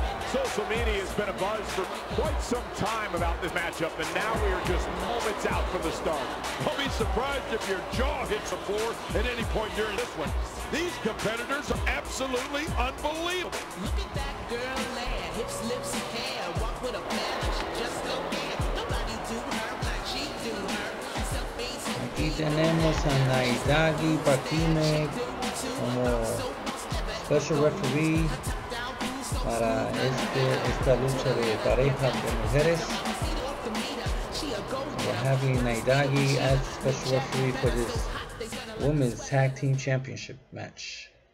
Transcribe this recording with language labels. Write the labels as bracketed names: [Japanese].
[English] Social media has been a buzz for quite some time about this matchup, and now we are just moments out from the start. Don't be surprised if your jaw hits the floor at any point during this one. These competitors are absolutely unbelievable. Look at that girl there, hips, lips, and hair. Walk with a man, she just don't care. Nobody do her like she do her. [Spanish] Aquí tenemos a Naidagi Bakime como [English] special referee [Spanish] para esta lucha de parejas de mujeres. [English] We're having Naidagi as special referee for this women's tag team championship match.